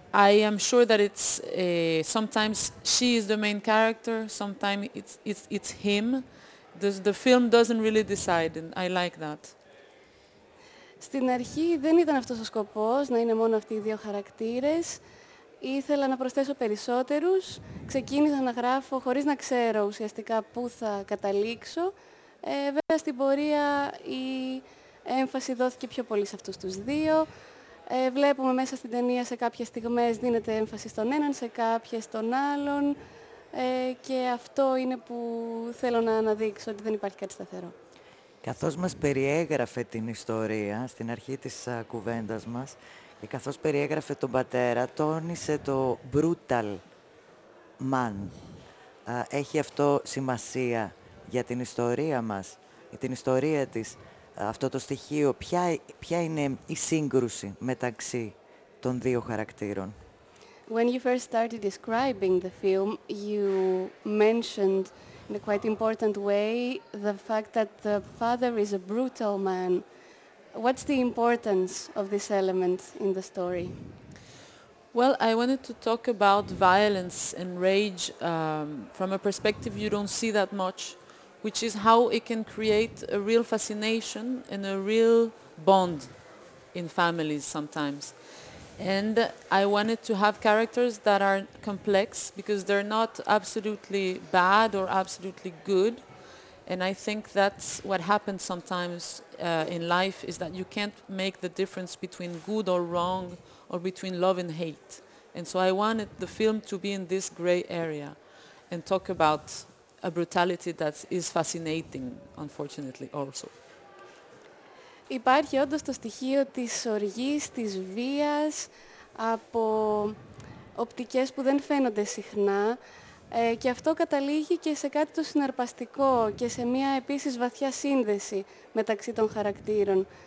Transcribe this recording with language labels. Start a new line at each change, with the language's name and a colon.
English: I am sure that it's sometimes she is the main character, sometimes it's him. The film doesn't really decide, and I like that.
Greek: Στην αρχή δεν ήταν αυτός ο σκοπός, να είναι μόνο αυτοί οι δύο χαρακτήρες. ήθελα να προσθέσω περισσότερους. Ξεκίνησα να γράφω χωρίς να ξέρω ουσιαστικά πού θα καταλήξω. Βέβαια, στην πορεία η έμφαση δόθηκε πιο πολύ σε αυτούς τους δύο. Βλέπουμε μέσα στην ταινία σε κάποιες στιγμές δίνεται έμφαση στον έναν, σε κάποιες στον άλλον. Και αυτό είναι που θέλω να αναδείξω, ότι δεν υπάρχει κάτι σταθερό. Καθώς μας περιέγραφε την ιστορία στην αρχή της κουβέντας μας, και καθώς περιέγραφε τον πατέρα, τόνισε το
English: brutal man.
Greek: Έχει αυτό σημασία για την ιστορία μας, για την ιστορία της, αυτό το στοιχείο. Ποια είναι η σύγκρουση μεταξύ των δύο χαρακτήρων?
English: When you first started describing the film, you mentioned in a quite important way the fact that the father is a brutal man. What's the importance of this element in the story? Well, I wanted to talk about violence and rage from a perspective you don't see that much, which is how it can create a real fascination and a real bond in families sometimes. And I wanted to have characters that are complex because they're not absolutely bad or absolutely good. And I think that's what happens sometimes in life, is that you can't make the difference between good or wrong or between love and hate. And so I wanted the film to be in this gray area and talk about a brutality that is fascinating, unfortunately, also.
Greek: Υπάρχει όντως το στοιχείο της οργής, της βίας, από οπτικές που δεν φαίνονται συχνά. Και αυτό καταλήγει και σε κάτι το συναρπαστικό και σε μια επίσης βαθιά σύνδεση μεταξύ των χαρακτήρων.